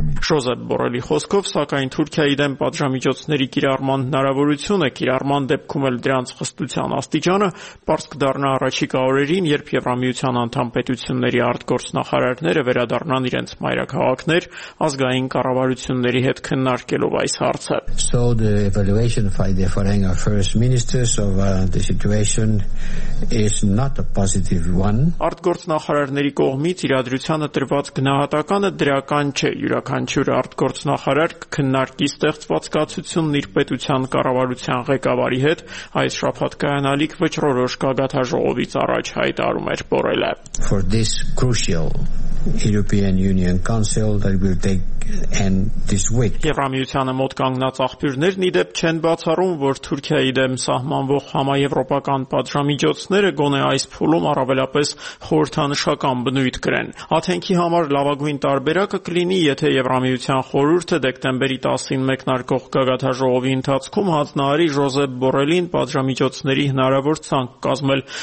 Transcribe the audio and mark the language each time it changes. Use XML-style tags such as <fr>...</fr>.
<hy>Ժոզեփ Բորելի խոսքով, սակայն Թուրքիայի դեմ պատժամիջոցների կիրառման հնարավորությունը, կիրառման դեպքում էլ դրանց խստության աստիճանը, կդառնա առաջիկա օրերին, երբ Եվրամիության անդամ պետությունների արտգործնախարարները վերադառնան իրենց մայրաքաղաքներ ազգային կառավարությունների հետ քննարկելով այս հարցը։</hy> <en>So the evaluation by the foreign affairs ministers of the situation is not a positive one.</en> <hy>Արտգործնախարարների կողմից իրադրությանը տրված գնահատականը դրական չէ, յուրաքանչյուր արտգործնախարար քննարկի ստեղծված կացությունն իր պետության կառավարության ղեկավարի հետ այս շաբաթ կայանալիք վճռորոշ Կագաթա ժողովից առաջ հայտարում էր Բորելը։</hy> <en>For this crucial European Union Council that will take and this week.</en> <hy>Եվրամիությանը մոտ կանգնած աղբյուրներն ի դեպ չեն բացառում, որ Թուրքիայի դեմ սահմանվող համաեվրոպական պատժամիջոցները գոնե այս փուլում առավելապես խորհրդանշական բնույթ կրեն։ Աթենքի համար լավագույն տարբերակը կլինի, եթե Եվրամիության խորհուրդը դեկտեմբերի 10-ին մեկնարկող Կագաթա ժողովի ընթացքում հանձնարարի Ժոզեփ Բորելին պատժամիջոցների հնարավոր ցանկ կազմել,</hy>